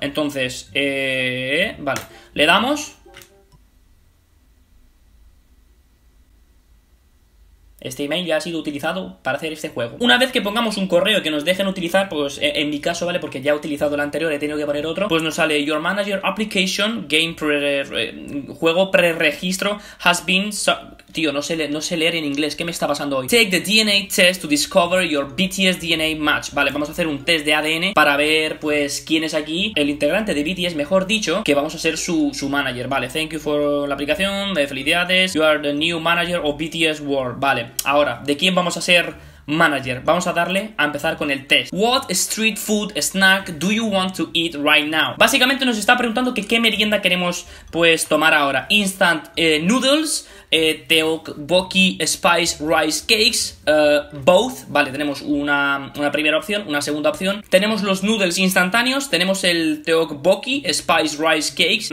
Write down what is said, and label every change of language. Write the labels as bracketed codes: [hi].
[es] Entonces, vale, le damos. Este email ya ha sido utilizado para hacer este juego. Una vez que pongamos un correo que nos dejen utilizar, pues en mi caso, ¿vale? Porque ya he utilizado el anterior, he tenido que poner otro. Pues nos sale: [en] Your manager application game pre [es] juego pre-registro [en] has been [es] Tío, no sé leer en inglés. ¿Qué me está pasando hoy? [en] Take the DNA test to discover your BTS DNA match. [es] Vale, vamos a hacer un test de ADN para ver, pues, quién es aquí el integrante de BTS, mejor dicho, que vamos a ser su manager. Vale, [en] thank you for [es] la aplicación. Felicidades. [en] You are the new manager of BTS World. [es] Vale, ahora, ¿de quién vamos a ser manager? Vamos a darle a empezar con el test. [en] What street food snack do you want to eat right now? [es] Básicamente nos está preguntando que qué merienda queremos, pues, tomar ahora. [en] Instant noodles, teokboki spice rice cakes, both. [es] Vale, tenemos una primera opción, una segunda opción. Tenemos los noodles instantáneos, tenemos el teokboki spice rice cakes.